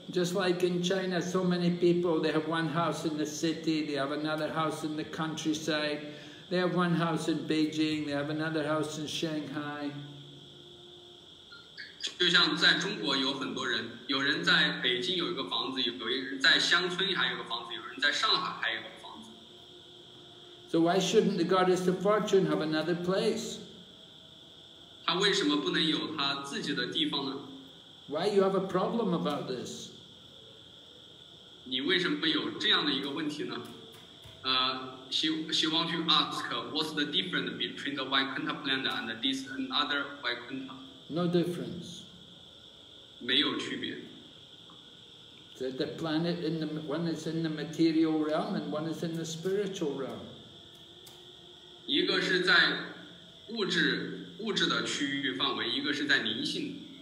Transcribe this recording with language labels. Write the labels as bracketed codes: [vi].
[en] Just like in China, so many people, they have one house in the city, they have another house in the countryside, they have one house in Beijing, they have another house in Shanghai. [zh] 就像在中国有很多人，有人在北京有一个房子，有人在乡村还有个房子，有人在上海还有个房子。 [en] So why shouldn't the goddess of fortune have another place? [zh] 她为什么不能有她自己的地方呢？ [en] Why you have a problem about this? [zh] 你为什么有这样的一个问题呢？ [en] She wants to ask, what's the difference between the Vaikuntha planet and this another Vaikuntha? No difference. [zh] 没有区别。 [en] So the planet, one is in the material realm and one is in the spiritual realm. [zh] 一个是在物质的区域范围，一个是在灵性。